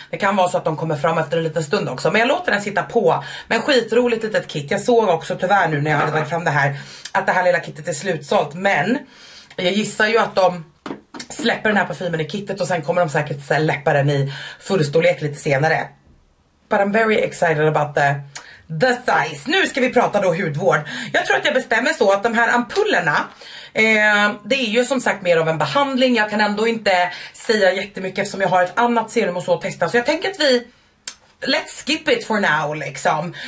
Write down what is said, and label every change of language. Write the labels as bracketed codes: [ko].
[sv] Det kan vara så att de kommer fram efter en liten stund också, men jag låter den sitta på. Men skitroligt litet kit, jag såg också tyvärr nu när jag hade lagt fram det här att det här lilla kitet är slutsålt, men jag gissar ju att de släpper den här parfymen i kitet och sen kommer de säkert släppa den i fullstorlek lite senare. [en] But I'm very excited about the size. [sv] Nu ska vi prata då hudvård. Jag tror att jag bestämmer så att de här ampullerna, det är ju som sagt mer av en behandling. Jag kan ändå inte säga jättemycket eftersom jag har ett annat serum och så att testa. Så jag tänker att vi [en] let's skip it for now liksom.